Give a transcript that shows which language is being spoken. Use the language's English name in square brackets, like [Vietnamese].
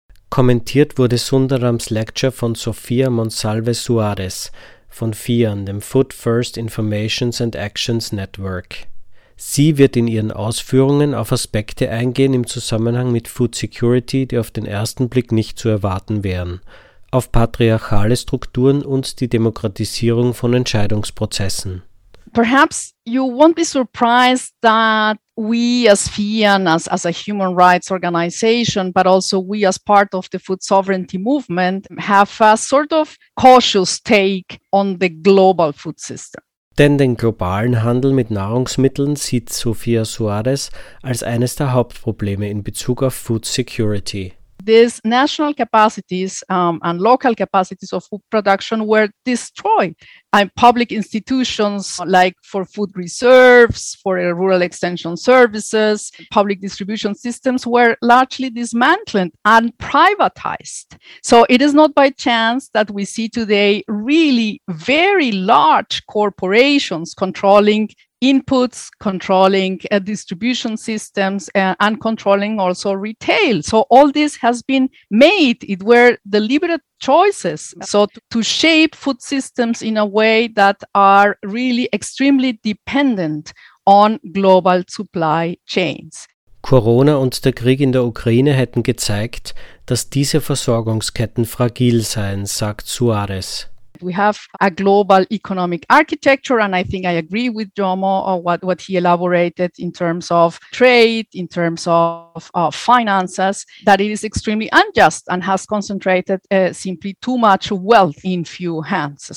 [German] Kommentiert wurde Sundarams Lecture von Sofia Monsalve Suarez von FIAN, dem Food First Informations and Actions Network. Sie wird in ihren Ausführungen auf Aspekte eingehen im Zusammenhang mit Food Security, die auf den ersten Blick nicht zu erwarten wären. auf patriarchale Strukturen und die Demokratisierung von Entscheidungsprozessen. [English] Perhaps you won't be surprised that we as FIAN, as a human rights organization, but also we as part of the food sovereignty movement, have a sort of cautious take on the global food system. [German] Denn den globalen Handel mit Nahrungsmitteln sieht Sofia Suarez als eines der Hauptprobleme in Bezug auf food security. [English] These national capacities and local capacities of food production were destroyed. And public institutions like for food reserves, for rural extension services, public distribution systems were largely dismantled and privatized. So it is not by chance that we see today really very large corporations controlling inputs, controlling distribution systems, and controlling also retail. So all this has been made. It were deliberate choices. So to shape food systems in a way that are really extremely dependent on global supply chains. [German] Corona und der Krieg in der Ukraine hätten gezeigt, dass diese Versorgungsketten fragil seien, sagt Suarez. [English] We have a global economic architecture, and I think I agree with Jomo on what he elaborated in terms of trade, in terms of finances, that it is extremely unjust and has concentrated simply too much wealth in few hands.